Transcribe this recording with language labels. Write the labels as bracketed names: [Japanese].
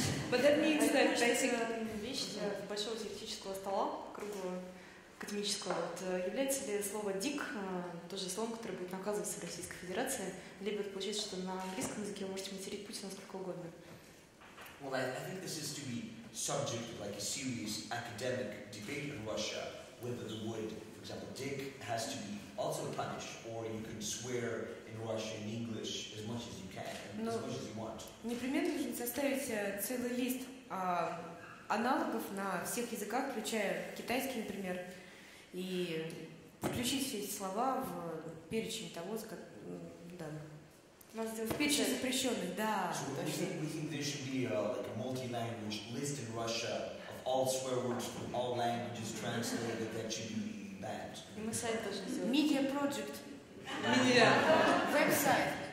[English] But that means that basically... [Russian] Это вещь большого теоретического стола, круглого, академического. Является ли слово «дик» тоже словом, которое будет наказываться в Российской Федерации? Либо это получается, что на английском языке вы можете материть Путина сколько угодно? [English] Well, I think this is to be subject of like a serious academic debate in Russia, whether the word, for example, dick has to be also punished, or you can swear in Russian and English as much as you can, [Russian] Но [English] as much as you want. [Russian] Непременно нужно составить целый лист аналогов на всех языках, включая китайский, например, и включить все эти слова в перечень того, как данных. [English] We think there should be like a multi-language list in Russia of all swear words from all languages translated that should be banned. Media project. Media. Website.